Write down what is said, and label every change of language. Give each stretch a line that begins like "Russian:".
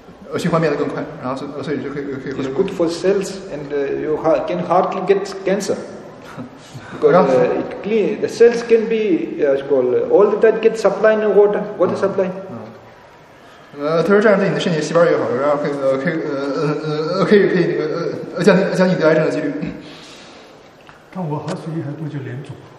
Chinese: 然后他说那个水可以让你让身体获得更多氧气。他说因为喝水可以让你那个循环变得更快，然后所以就可以。
English: It's good for cells, and you can hardly get cancer. Because it clean, the cells can be it's called all the time get supply in water. Water supply.
Chinese: 他说这样对你的身体细胞也好，然后可以降低得癌症的几率。但我喝水还不就脸肿。